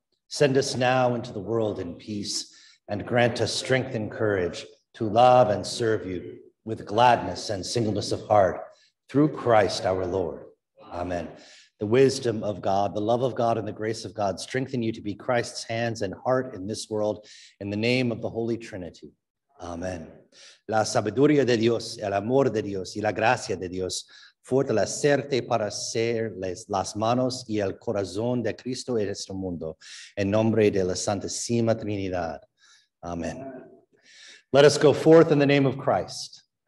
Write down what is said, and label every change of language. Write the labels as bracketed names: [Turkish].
[English] Send us now into the world in peace and grant us strength and courage to love and serve you with gladness and singleness of heart through Christ our Lord. Amen. The wisdom of God, the love of God, and the grace of God strengthen you to be Christ's hands and heart in this world, in the name of the Holy Trinity. Amen. [Spanish] La sabiduría de Dios, el amor de Dios, y la gracia de Dios, fortalecerte para ser las manos y el corazón de Cristo en este mundo, en nombre de la Santísima Trinidad. Amen. [English] Let us go forth in the name of Christ.